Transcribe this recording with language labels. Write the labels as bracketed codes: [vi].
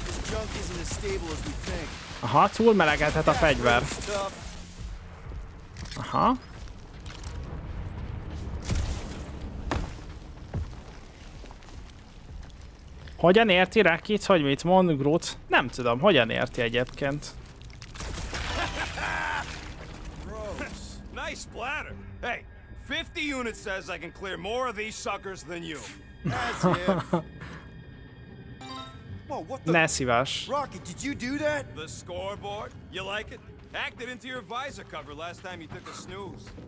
[en] This junk isn't as stable as we think. [hu] Aha, túl melegedhet a fegyver. Aha. Hogyan érti Rakit, hogy mit mond Groot? Nem tudom, hogyan érti egyébként. [en] Gross. Nice splatter. Hey, 50 units says I can clear more of these suckers than you. That's it. [hu] Ne szívás. [en] Rocket, did you do that? The scoreboard? You like it? Hacked it into your visor cover last time you took a snooze.